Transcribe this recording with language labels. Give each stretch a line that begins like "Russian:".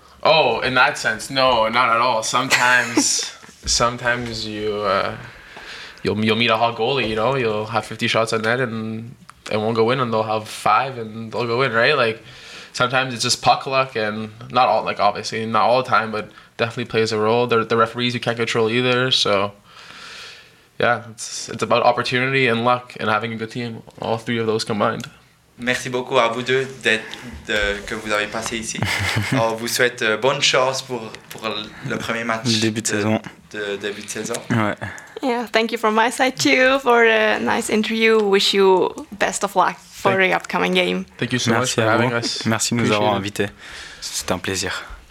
English: Oh, in that sense, no, not at all. Sometimes sometimes you'll meet a hot goalie, you know, you'll have 50 shots on net and it won't go in, and they'll have five and they'll go in, right? Like sometimes it's just puck luck, and not all, like obviously not all the time, but definitely plays a role. The referees you can't control either, so yeah, it's about opportunity and luck and having a good team, all three of those combined.
French: Merci beaucoup à vous deux que vous avez passé ici. On vous souhaite bonne chance pour le premier match. Le début de saison. De début de saison. Ouais.
English: Yeah, thank you from my side too for a nice interview. Wish you best of luck for the upcoming game. Thank you so much for having us.
French: Merci de nous avoir invités. C'était un plaisir.